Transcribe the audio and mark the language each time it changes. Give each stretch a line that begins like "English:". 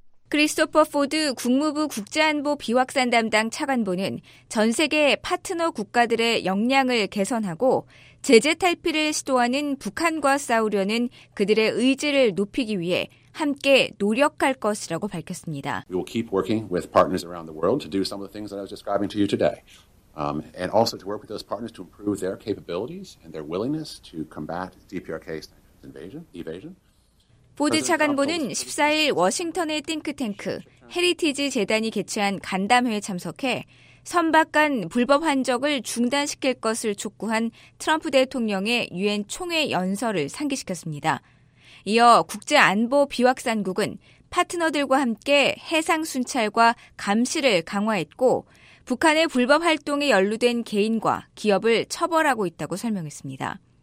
Korean: 크리스토퍼 포드 국무부 국제안보 비확산 담당 차관보는 전 세계 파트너 국가들의 역량을 개선하고 제재 탈피를 시도하는 북한과 싸우려는 그들의 의지를 높이기 위해 함께 노력할 것이라고 밝혔습니다.
English: We will keep working with partners around the world to do some of the things that I was describing to you today. And also to work with those partners to improve their capabilities and their willingness to combat DPRK's evasion.
Korean: 보드 차관보는 14일 워싱턴의 띵크탱크 헤리티지 재단이 개최한 간담회에 참석해 선박 간 불법 환적을 중단시킬 것을 촉구한 트럼프 대통령의 유엔 총회 연설을 상기시켰습니다. 이어 국제안보 비확산국은 파트너들과 함께 해상 순찰과 감시를 강화했고 북한의 불법 활동에 연루된 개인과 기업을 처벌하고 있다고 설명했습니다.